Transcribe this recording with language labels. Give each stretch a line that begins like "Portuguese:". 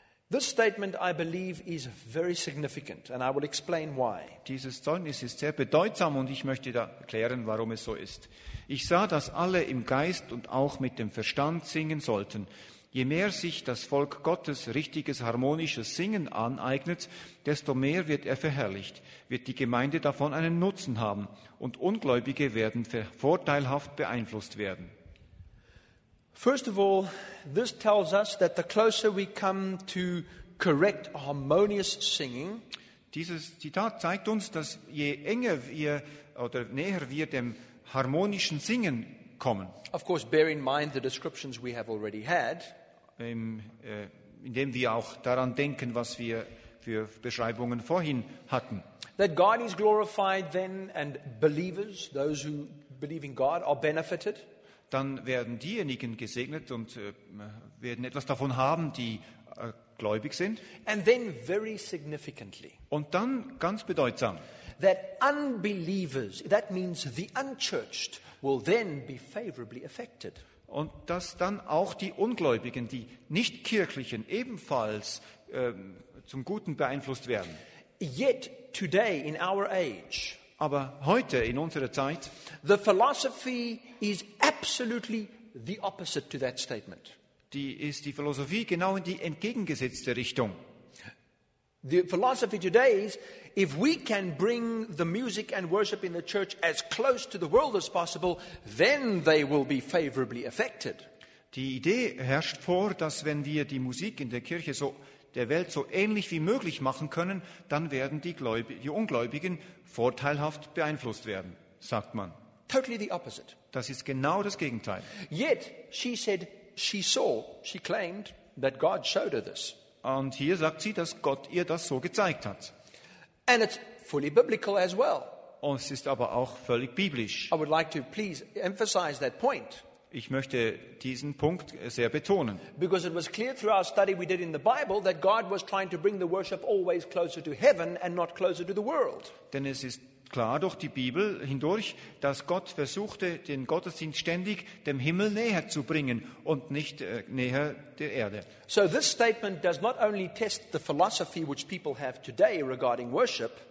English: This statement, I believe, is very significant, and I will explain why.
German: Dieses Zeugnis ist sehr bedeutsam, und ich möchte da erklären, warum es so ist. Ich sah, dass alle im Geist und auch mit dem Verstand singen sollten. Je mehr sich das Volk Gottes richtiges harmonisches Singen aneignet, desto mehr wird er verherrlicht, wird die Gemeinde davon einen Nutzen haben, und Ungläubige werden vorteilhaft beeinflusst werden.
English: First of all, this tells us that the closer we come to correct harmonious singing,
German: dieses Zitat zeigt uns, dass je enger wir oder näher wir dem harmonischen Singen kommen.
English: Of course, bear in mind the descriptions we have already had.
German: Indem wir auch daran denken, was wir für Beschreibungen vorhin hatten.
English: That God is glorified then, and believers, those who believe in God, are benefited.
German: Dann werden diejenigen gesegnet und werden etwas davon haben, die gläubig sind.
English: And then very significantly.
German: Und dann ganz bedeutsam.
English: That unbelievers, that means the unchurched, will then be favorably affected.
German: Und dass dann auch die Ungläubigen, die Nichtkirchlichen, ebenfalls zum Guten beeinflusst werden.
English: Yet today in our age,
German: aber heute in unserer Zeit,
English: the philosophy is absolutely the opposite to that statement.
German: Die ist die Philosophie genau in die entgegengesetzte Richtung.
English: The philosophy today is, if we can bring the music and worship in the church as close to the world as possible, then they will be favorably affected.
German: Die Idee herrscht vor, dass wenn wir die Musik in der Kirche so der Welt so ähnlich wie möglich machen können, dann werden die Ungläubigen vorteilhaft beeinflusst werden, sagt man.
English: Totally the opposite.
German: Das ist genau das Gegenteil.
English: Yet she said she saw, she claimed, that God showed her this.
German: Und hier sagt sie, dass Gott ihr das so gezeigt hat.
English: And it's fully biblical as well.
German: Und es ist aber auch völlig biblisch.
English: I would like to please emphasize that point.
German: Ich möchte diesen Punkt sehr betonen.
English: Because it was clear through our study we did in the Bible that God was trying to bring the worship always closer to heaven and not closer to the world.
German: Denn es ist klar durch die Bibel hindurch, dass Gott versuchte, den Gottesdienst ständig dem Himmel näher zu bringen und nicht näher der Erde.
English: So this statement does not only test the philosophy which people have today regarding worship.